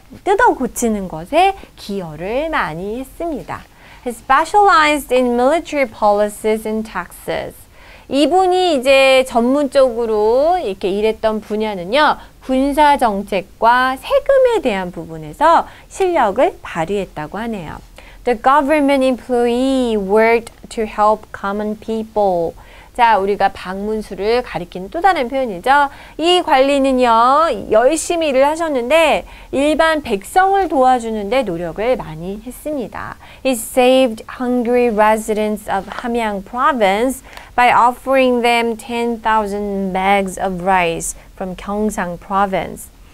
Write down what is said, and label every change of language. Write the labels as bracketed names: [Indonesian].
[Korean] 뜯어 고치는 것에 기여를 많이 했습니다. [English] He specialized in military policies and taxes. [Korean] 이분이 이제 전문적으로 이렇게 일했던 분야는요, 군사 정책과 세금에 대한 부분에서 실력을 발휘했다고 하네요. [English] The government employee worked to help common people. [Korean] 자, 우리가 방문수를 가리키는 또 다른 표현이죠. 이 관리는요, 열심히 일을 하셨는데 일반 백성을 도와주는데 노력을 많이 했습니다. [English] He saved hungry residents of Hamyang Province by offering them 10,000 bags of rice from Gyeongsang Province.